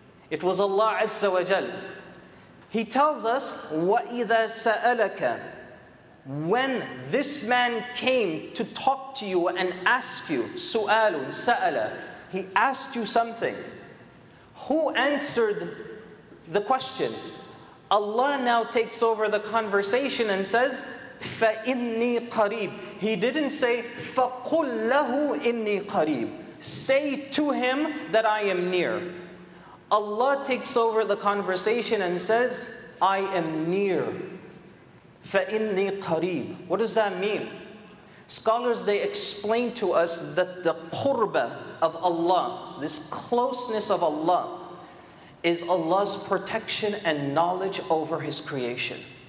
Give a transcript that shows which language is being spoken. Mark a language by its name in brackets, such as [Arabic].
[English] It was Allah Azza wa Jal. He tells us, [Arabic] وَإِذَا سَأَلَكَ, [English] when this man came to talk to you and ask you, [Arabic] سُؤَالٌ سَأَلَ, [English] he asked you something. Who answered the question? Allah now takes over the conversation and says, [Arabic] فَإِنِّي قَرِيبٌ. He didn't say, فَقُلْ لَهُ إِنِّي قَرِيبٌ. [English] Say to him that I am near. Allah takes over the conversation and says, I am near. [Arabic] فَإِنِّي قَرِيبٌ. [English] What does that mean? Scholars, they explain to us that the qurbah of Allah, this closeness of Allah, is Allah's protection and knowledge over His creation.